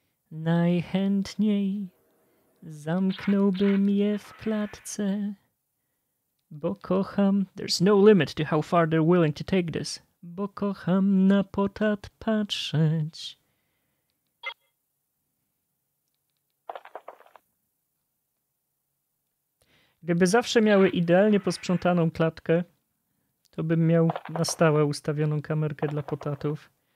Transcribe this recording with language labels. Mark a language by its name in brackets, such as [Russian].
[Polish] Najchętniej zamknąłbym je w klatce, bo kocham... [English] There's no limit to how far they're willing to take this. [Polish] Bo kocham na potat patrzeć. Gdyby zawsze miały idealnie posprzątaną klatkę, to bym miał na stałe ustawioną kamerkę dla potatów.